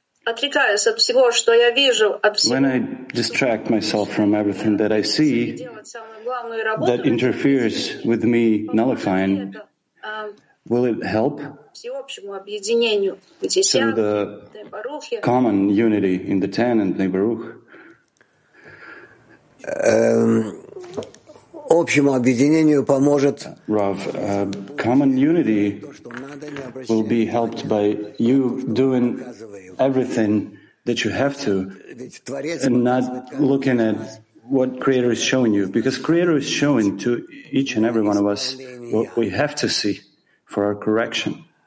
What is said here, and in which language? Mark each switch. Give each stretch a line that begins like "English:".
English: When I distract myself from everything that I see that interferes with me nullifying, will it help to the common unity in the Ten and Nebaruch?
Russian: Общему объединению поможет.
English: Rav, common unity will be helped by you doing everything that you have to, and not looking at what Creator is showing you, because Creator is showing to each and every one of us what we have to see for our correction.